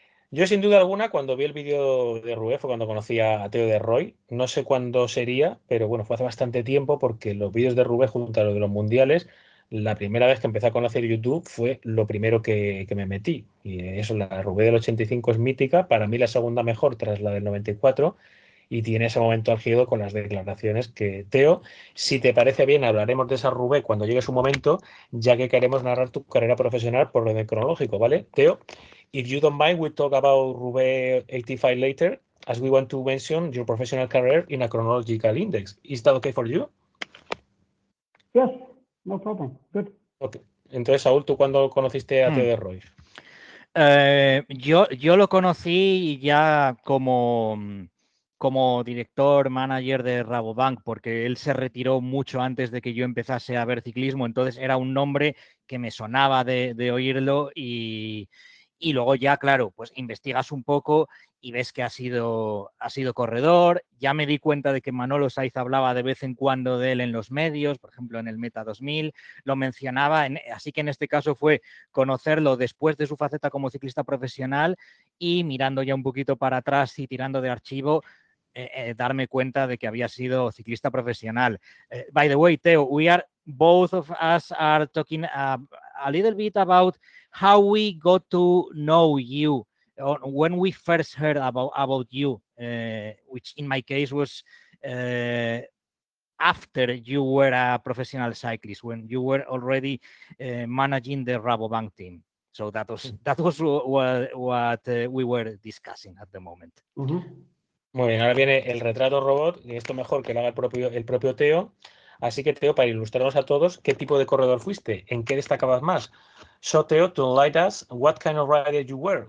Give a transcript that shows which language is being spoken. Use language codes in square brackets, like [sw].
[es] Yo, sin duda alguna, cuando vi el vídeo de Rueff, cuando conocí a Theo de Roy, no sé cuándo sería, pero bueno, fue hace bastante tiempo, porque los vídeos de Rueff junto a los de los mundiales, la primera vez que empecé a conocer YouTube fue lo primero que me metí. Y eso, la Rueff del 85 es mítica, para mí la segunda mejor tras la del 94, y tiene ese momento álgido con las declaraciones que Teo, si te parece bien, hablaremos de esa Rubé cuando llegue su momento, ya que queremos narrar tu carrera profesional por orden cronológico, ¿vale? [en] Teo, if you don't mind, we'll talk about Rubé 85 later, as we want to mention your professional career in a chronological index. Is that okay for you? Yes, no problem. Good. Okay. [es] Entonces, Saúl, ¿tú cuándo conociste a Teo de Roy? Yo lo conocí ya como director manager de Rabobank, porque él se retiró mucho antes de que yo empezase a ver ciclismo, entonces era un nombre que me sonaba de oírlo y luego ya, claro, pues investigas un poco y ves que ha sido corredor. Ya me di cuenta de que Manolo Saiz hablaba de vez en cuando de él en los medios, por ejemplo en el Meta 2000, lo mencionaba, así que en este caso fue conocerlo después de su faceta como ciclista profesional y mirando ya un poquito para atrás y tirando de archivo, darme cuenta de que había sido ciclista profesional. [en] By the way, Theo, we are both of us are talking a little bit about how we got to know you, or when we first heard about you, which in my case was after you were a professional cyclist, when you were already managing the Rabobank team. So that was what we were discussing at the moment. Mm-hmm. [es] Muy bien, ahora viene el retrato robot, y esto mejor que lo haga el propio Teo. Así que Teo, para ilustrarnos a todos, ¿qué tipo de corredor fuiste? ¿En qué destacabas más? [en] So Teo, to enlighten us, what kind of rider you were?